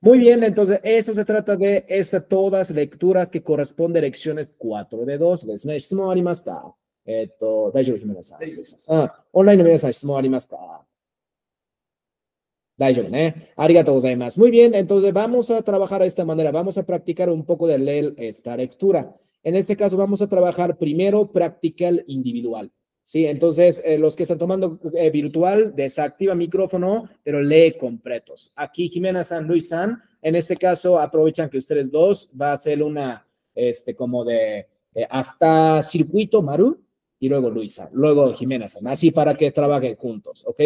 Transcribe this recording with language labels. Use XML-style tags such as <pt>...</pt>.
<es>Muy bien, entonces, eso se trata de esta, todas lecturas que corresponden a lecciones 4 de 2.</es> <ja>ですね。質問ありますか？大丈夫、ヒメナさん。オンラインの皆さん、質問ありますか？大丈夫ね。ありがとうございます。</ja> <es>Muy bien, entonces, vamos a trabajar de esta manera. Vamos a practicar un poco de leer esta lectura. En este caso, vamos a trabajar primero practical individual. Sí, entonces, los que están tomando virtual, desactiva micrófono, pero lee completos. Aquí Jimena San Luis San, en este caso, aprovechan que ustedes dos va a hacer una, como de hasta circuito, Maru, y luego Luisa, luego Jimena San, así para que trabajen juntos, ¿ok?</es>